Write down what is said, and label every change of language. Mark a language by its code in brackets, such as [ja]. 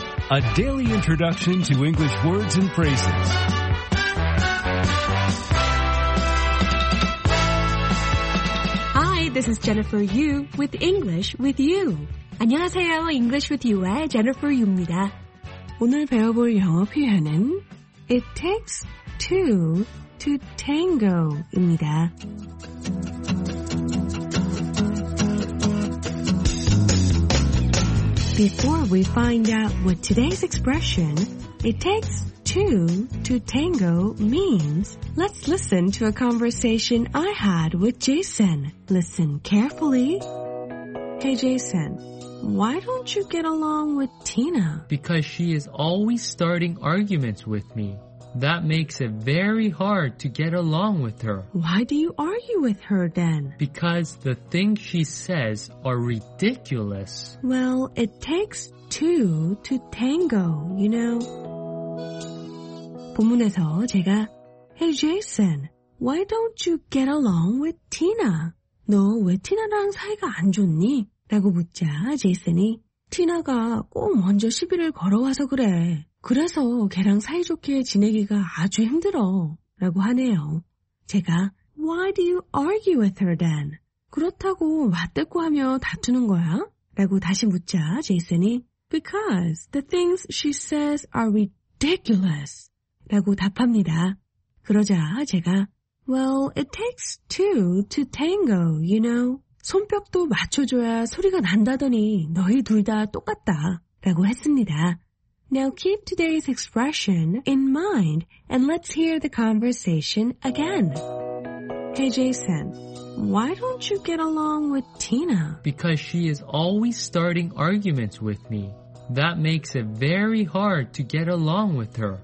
[en] A daily introduction to English words and phrases. Hi, this is Jennifer Yu with English with You. [ko] 안녕하세요, English with You의 Jennifer Yu입니다. 오늘 배워볼 영어 표현은 [en] It takes two to tango [ko] 입니다. [en] Before we find out what today's expression, it takes two to tango means, let's listen to a conversation I had with Jason. Listen carefully. Hey Jason, why don't you get along with Tina? Because she is always starting arguments with me. That makes it very hard to get along with her. Why do you argue with her then? Because the things she says are ridiculous. Well, it takes two to tango, you know. [ko] 본문에서 제가 [en] Hey Jason, why don't you get along with Tina? [ko] 너 왜 티나랑 사이가 안 좋니? 라고 묻자 제이슨이 티나가 꼭 먼저 시비를 걸어와서 그래. 그래서 걔랑 사이좋게 지내기가 아주 힘들어 라고 하네요. 제가 [en] Why do you argue with her then? [ko] 그렇다고 맞대꾸하며 다투는 거야? 라고 다시 묻자 제이슨이 [en] Because the things she says are ridiculous [ko] 라고 답합니다. 그러자 제가 [en] Well, it takes two to tango, you know. [ko] 손뼉도 맞춰줘야 소리가 난다더니 너희 둘 다 똑같다 라고 했습니다. [en] Now keep today's expression in mind and let's hear the conversation again. Hey Jason, why don't you get along with Tina? Because she is always starting arguments with me. That makes it very hard to get along with her.